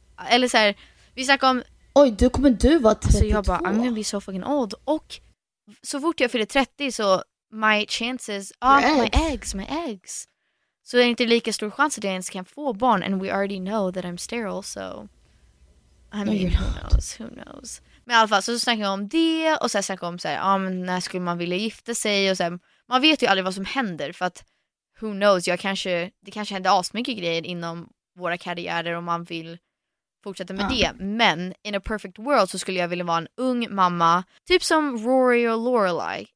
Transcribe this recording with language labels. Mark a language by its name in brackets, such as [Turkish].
[Swedish] Eller såhär, vi snackade om, oj, du kommer du vara 32? Så jag bara, [English] I'm gonna be so fucking old. [Swedish] Och så fort jag fyller 30 så [English] my chances, my eggs. [Swedish] Så det är inte lika stor chans att jag ens kan få barn. [English] And we already know that I'm sterile, so I mean, who knows. [Swedish] Men i alla fall, så snackade jag om det. Och så snackade jag om såhär, när skulle man vilja gifta sig. Och såhär, man vet ju aldrig vad som händer. För att, [English] who knows, [Swedish] det kanske händer asmycket grejer inom våra karriärer om man vill fortsätta med det. Men [English] in a perfect world [Swedish] så skulle jag vilja vara en ung mamma, typ som Rory och Lorelai.